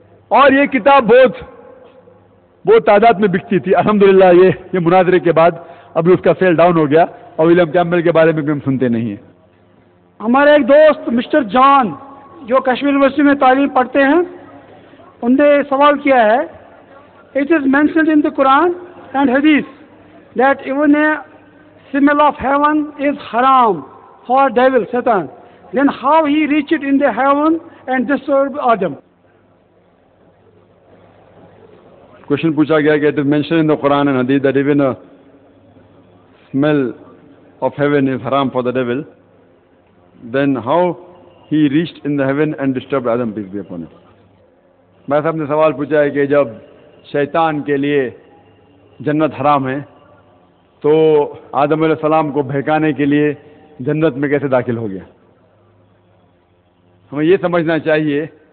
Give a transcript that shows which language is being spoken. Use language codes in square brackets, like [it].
[ur] اور یہ کتاب بہت بہت تعداد میں بکتی تھی الحمدللہ. یہ مناظرے کے بعد ابھی اس کا سیل ڈاؤن ہو گیا، اور ولیم کیمبل کے بارے میں بھی ہم سنتے نہیں ہیں. ہمارے ایک دوست مسٹر جان جو کشمیر یونیورسٹی میں تعلیم پڑھتے ہیں، ان نے سوال کیا ہے. [en] It is mentioned in the Quran and Hadith that even a smell of heaven is haram for devil, Satan. Then how he reached in the heaven and disturbed Adam? Question [ur] پوچھا گیا کہ [en] it is mentioned in the Quran and Hadith that even a smell of heaven is haram for the devil. Then how he reached in the heaven and disturbed Adam, peace be upon him. [ur] بھائی صاحب نے سوال پوچھا ہے کہ جب شیطان کے لیے جنت حرام ہے، تو آدم علیہ السلام کو بہکانے کے لیے جنت میں کیسے داخل ہو گیا؟ ہمیں یہ سمجھنا چاہیے